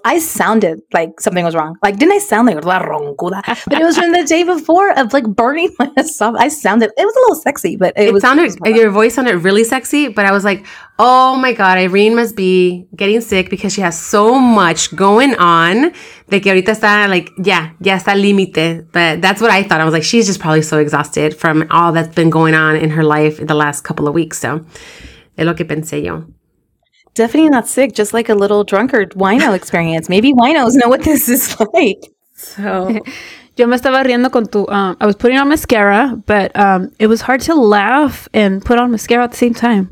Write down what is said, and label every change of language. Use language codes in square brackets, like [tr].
[en] I sounded like something was wrong. Like, didn't I sound like [es] la roncuda? [en] But it was from the day before of like burning myself. It was a little sexy, but your voice sounded really sexy. But I was like, oh my God, Irene must be getting sick because she has so much going on. [es] De que ahorita está [en] like, [es] ya está límite. [en] But that's what I thought. I was like, she's just probably so exhausted from all that's been going on in her life in the last couple of weeks. [es] So, es lo que pensé yo. [en] Definitely not sick, just like a little drunkard wino experience. Maybe winos know what this is like. So, [es] yo me estaba riendo con tu, [en] I was putting on mascara, but it was hard to laugh and put on mascara at the same time.